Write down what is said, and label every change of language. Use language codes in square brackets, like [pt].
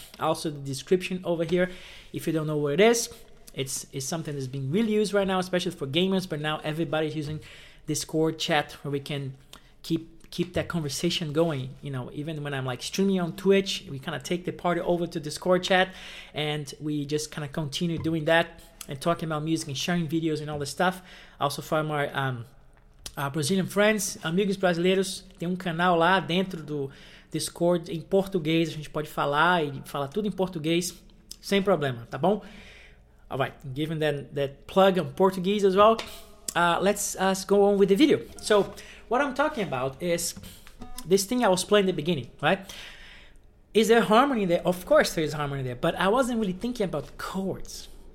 [en] Also, the description over here, if you don't know what it is, it's something that's being really used right now, especially for gamers, but now everybody's using Discord chat where we can keep that conversation going. You know, even when I'm like streaming on Twitch, we kind of take the party over to Discord chat and we just kind of continue doing that and talking about music and sharing videos and all this stuff. Also for my Brazilian friends, [pt] amigos brasileiros, tem canal lá dentro do Discord em português, a gente pode falar e falar tudo em português sem problema, tá bom? [en] All right, given that plug on Portuguese as well, let's go on with the video. So what I'm talking about is this thing I was playing in the beginning, right? Is there harmony there? Of course there is harmony there, but I wasn't really thinking about chords.